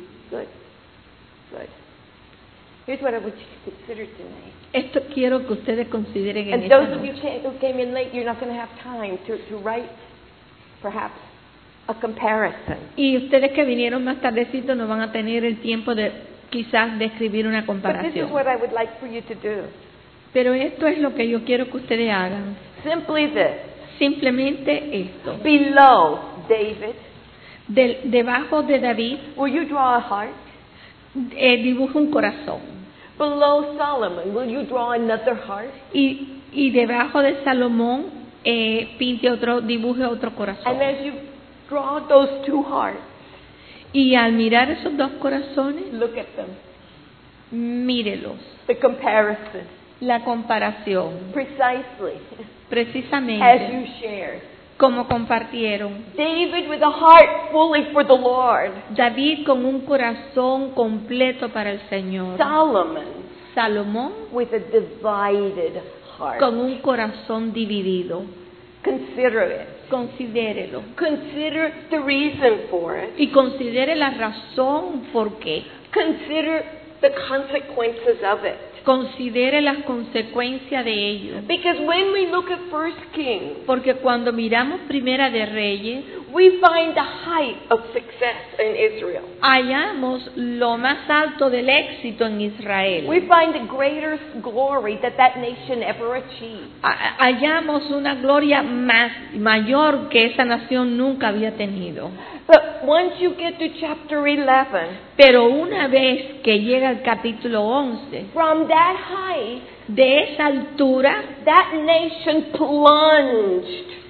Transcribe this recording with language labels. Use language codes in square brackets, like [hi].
[en] Good. Good. Here's what I want you to consider tonight. [es] Esto quiero que ustedes consideren en [en] and [es] esta noche. [en] And those of you who came in late, you're not going to have time to write, perhaps, a comparison. [es] Y ustedes que vinieron más tardecito no van a tener el tiempo de quizás de escribir una comparación. [en] But this is what I would like for you to do. [es] Pero esto es lo que yo quiero que ustedes hagan. [en] Simply this. [es] Simplemente esto. [en] Below David. [es] Debajo de David. [en] Will you draw a heart? [es] Dibuja un corazón. [en] Below Solomon, will you draw another heart? [es] Y debajo de Salomón, pinte otro, dibuje otro corazón. [en] And as you draw those two hearts, [es] y al mirar esos dos corazones, [en] look at them. [es] Mírelos. [en] The comparison. [es] La comparación. [en] Precisely. [es] Precisamente. [en] As you shared. [es] Como compartieron. [en] David with a heart fully for the Lord. [es] David con un corazón completo para el Señor. [en] Salomón with a divided heart. [es] Con un corazón dividido. [en] Consider it. [es] Considérelo. [en] Consider the reason for it. [es] Y considere la razón por qué. [en] Consider the consequences of it. [es] Considere las consecuencias de ello. [en] Because when we look at First Kings, [es] porque cuando miramos Primera de Reyes, [en] we find the height of success in Israel. [es] Hallamos lo más alto del éxito en Israel. [en] We find the greatest glory that nation ever achieved. [es] Hallamos una gloria mayor que esa nación nunca había tenido. [en] But once you get to chapter 11, [es] pero una vez que llega al capítulo 11, [en] from that height, [es] de esa altura, [en] that nation plunged